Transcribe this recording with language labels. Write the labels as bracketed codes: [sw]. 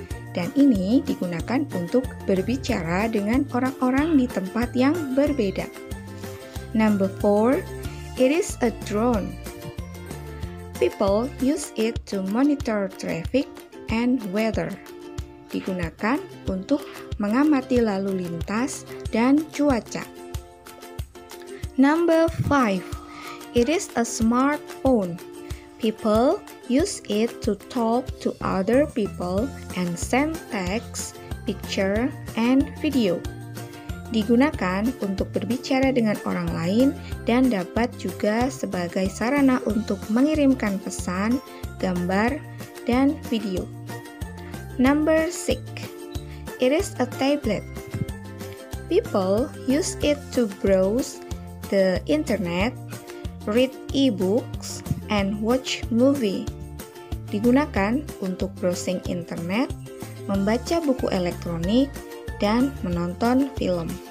[id] Dan ini digunakan untuk berbicara dengan orang-orang di tempat yang berbeda. [en] Number 4, it is a drone. People use it to monitor traffic and weather. [id] Digunakan untuk mengamati lalu lintas dan cuaca. [en] Number 5, it is a smartphone. People use it to talk to other people and send text, picture, and video. [id] Digunakan untuk berbicara dengan orang lain dan dapat juga sebagai sarana untuk mengirimkan pesan, gambar, dan video. [en] Number 6. It is a tablet. People use it to browse the internet, read e-books, and watch movie. [id] Digunakan untuk browsing internet, membaca buku elektronik, dan menonton film.